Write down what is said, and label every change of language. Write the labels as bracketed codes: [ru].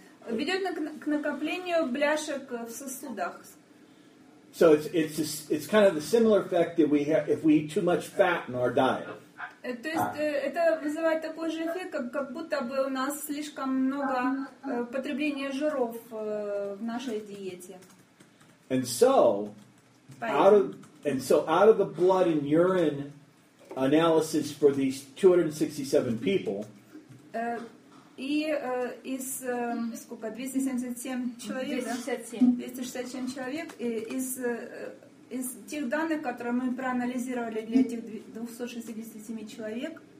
[ru] Ведет к накоплению бляшек в сосудах. [en] So it's kind of the similar effect that we have if we eat too much fat in our diet. [ru] То есть это вызывает такой же эффект, как будто бы у нас слишком много потребления жиров в нашей диете. [en] And so, out of the blood and urine analysis for these 267 people. [ru] Из сколько 267 человек из тех данных, которые мы проанализировали для этих 267 человек,